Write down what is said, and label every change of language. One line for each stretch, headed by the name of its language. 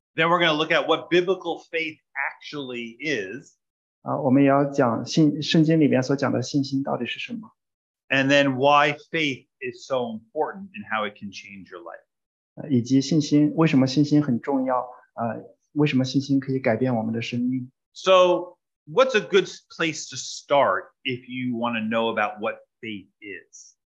English: Then we're going to look at what biblical faith actually is.
Chinese: 我们也要讲圣经里边所讲的信心到底是什么?
English: And then why faith is so important and how it can change your life.
Chinese: 以及信心，为什么信心很重要?为什么信心可以改变我们的生命?
English: So what's a good place to start if you want to know about what faith is?